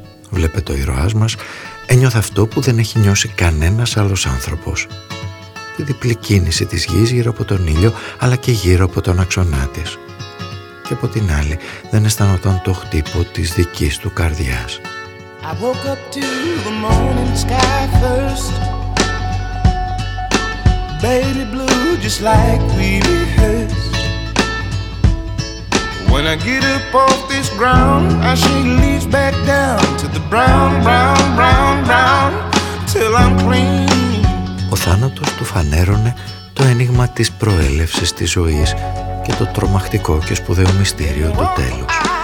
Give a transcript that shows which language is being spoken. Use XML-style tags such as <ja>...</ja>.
<el>Βλέπετε, ο ηρωάς μας ένιωθε αυτό που δεν έχει νιώσει κανένας άλλος άνθρωπος. Τη διπλή κίνηση της γης γύρω από τον ήλιο, αλλά και γύρω από τον αξονά της. Και από την άλλη δεν αισθανόταν το χτύπο της δικής του καρδιάς.</el> <en>I woke up to the morning sky first. Baby blue just like we rehearsed. When I get up off this ground I shake leaves back down to the brown, brown, brown, brown till I'm clean.</en> <el>Ο θάνατος του φανέρωνε το ένιγμα της προέλευσης της ζωής και το τρομακτικό και σπουδαίο μυστήριο του τέλους.</el>